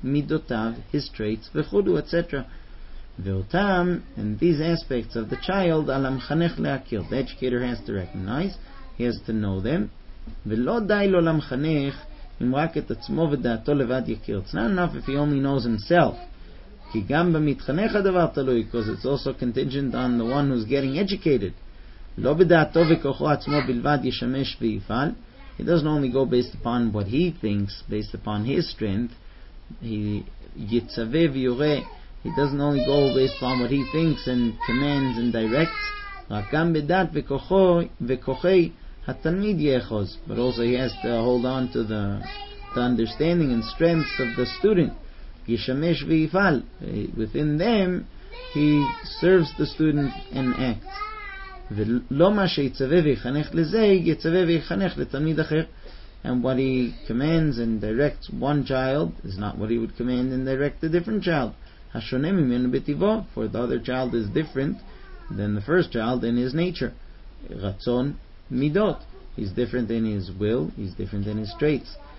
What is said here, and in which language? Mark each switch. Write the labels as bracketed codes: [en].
[en] Midotav, his traits. V'chudu, etc. V'otam, and these aspects of the child, [he] alam chanech le'akil. [en] The educator has to recognize. He has to know them. [he] V'lo day lo lam chanech, im rak et atzmo v'da'ato levad yakil. [en] It's not enough if he only knows himself. [he] Ki gam b'mitchanech ha'davar talui, [en] because it's also contingent on the one who's getting educated. [he] לא בדעתו וכוחו עצמו בלבד ישמש ויפעל. [en] He doesn't only go based upon what he thinks, based upon his strength. [he] He יצווה ויורה. [en] He doesn't only go based upon what he thinks and commands and directs. [he] רק גם בדעת וכוחי התלמיד יאחוז. [en] But also he has to hold on to the understanding and strengths of the student. [he] ישמש ויפעל. [en] Within them, he serves the student and acts. [he] ולא מה שיצווה ויחנך לזה יצווה ויחנך לתלמיד אחר. [en] And what he commands and directs one child is not what he would command and direct a different child. [he] השונה ממנו בטיבו, [en] for the other child is different than the first child in his nature. [he] רצון מידות, [en] he's different in his will, he's different in his traits.